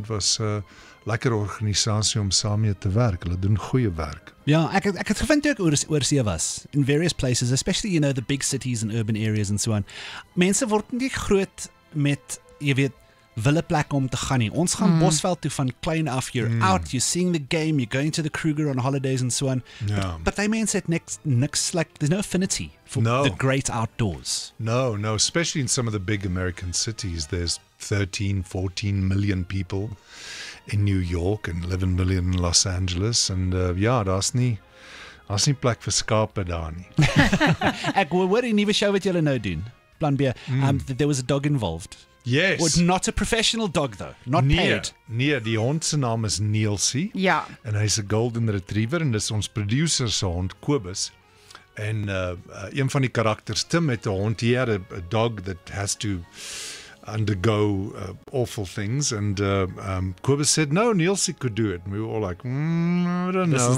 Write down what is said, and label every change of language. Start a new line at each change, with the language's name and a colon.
Afrikaans: Dit was 'n lekker organisasie om saam mee te werk. Hulle doen goeie werk. Ja, ek het gevind toe ek oorsee was,
English: in various places, especially you know the big cities and urban areas and so on.
Afrikaans: Mense word nie groot met, jy weet, wille plek om te gaan nie. Ons gaan Bosveld toe van klein af.
English: You're out, you're seeing the game, you're going to the Kruger on holidays and so on. Yeah. But they may say next, like, there's no affinity for the great outdoors. No, especially in some of the big American cities. There's 13, 14 million people in New York and 11 million in Los Angeles.
Afrikaans: And yeah, daar's nie. Daar's nie plek vir skape daar nie. Ek hoor die nuwe show wat julle nou doen. Plan B.
English: There was a dog involved. Yes. Would not a professional dog though. Not paid.
Afrikaans: Nee, die hond se naam is Nielsie. Ja. En hy's 'n golden retriever en dis ons producer se hond Kobus. En een van die karakters Tim het 'n hond hier,
English: a dog that has to undergo awful things, and Kobus said no, Nielsie could do it. And we were all like, I don't know.